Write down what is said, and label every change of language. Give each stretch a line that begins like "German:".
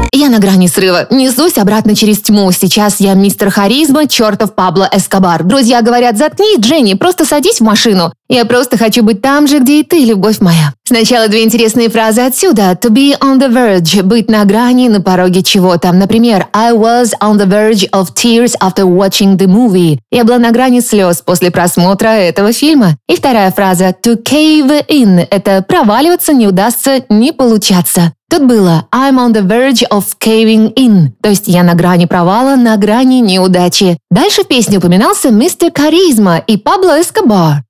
Russian: На грани срыва. Несусь обратно через тьму. Сейчас я мистер харизма, чертов Пабло Эскобар. Друзья говорят, заткнись, Дженни, просто садись в машину. Я просто хочу быть там же, где и ты, любовь моя. Сначала две интересные фразы отсюда. To be on the verge, быть на грани, на пороге чего-то. Например,
English: I was on the verge of tears after watching the movie.
Russian: Я была на грани слез после просмотра этого фильма. И вторая фраза. To cave in, это проваливаться не удастся, не получаться. Тут было
English: «I'm on the verge of caving in»,
Russian: то есть «я на грани провала, на грани неудачи». Дальше в песне упоминался «Мистер Каризма» и «Пабло Эскобар».